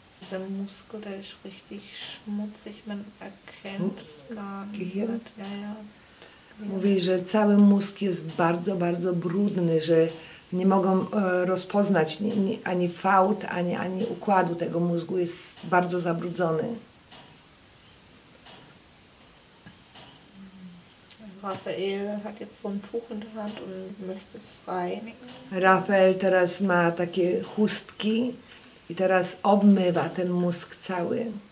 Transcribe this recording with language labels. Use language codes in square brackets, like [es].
[de] Der Muskel, der ist richtig schmutzig, man erkennt gar nicht. [pl] Mówi, że cały mózg jest bardzo, bardzo brudny, że nie mogą rozpoznać ani fałd, ani układu tego mózgu, jest bardzo zabrudzony. [de] Rafael hat jetzt so ein Tuch in der Hand und möchte es reinigen. [pl] Rafael teraz ma takie chustki. I teraz obmywa ten mózg cały.